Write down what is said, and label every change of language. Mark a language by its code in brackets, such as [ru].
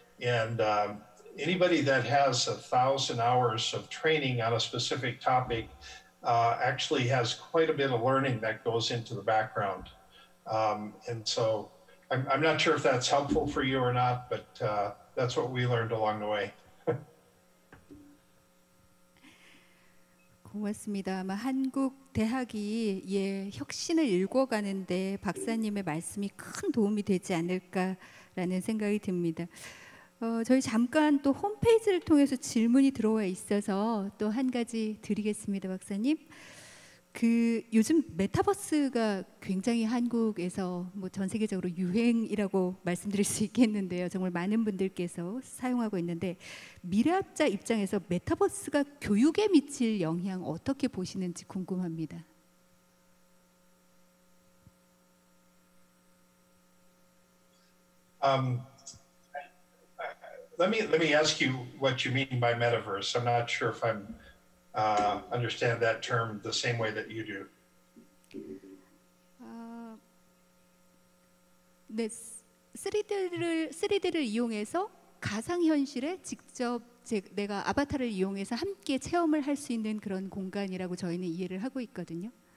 [en] And anybody that has 1,000 hours of training on a specific topic actually has quite a bit of learning that goes into the background. And so I'm not sure if that's helpful for you or not, but that's what we learned along the way. [ko] 고맙습니다. 아마 한국 대학이 예, 혁신을 일궈가는데 박사님의 말씀이 큰 도움이 되지 않을까라는 생각이 듭니다. 저희 잠깐 또 홈페이지를 통해서 질문이 들어와 있어서 또 한 가지 드리겠습니다, 박사님. 그 요즘 메타버스가 굉장히 한국에서 뭐 전 세계적으로 유행이라고 말씀드릴 수 있겠는데요. 정말 많은 분들께서 사용하고 있는데 미래학자 입장에서 메타버스가 교육에 미칠 영향 어떻게 보시는지 궁금합니다. [en] Let me ask you what you mean by metaverse. I'm not sure if I'm understand that term the same way that you do. [ko] 네, 3D를 이용해서 가상현실에 직접 내가 아바타를 이용해서 함께 체험을 할 수 있는 그런 공간이라고 저희는 이해를 하고 있거든요.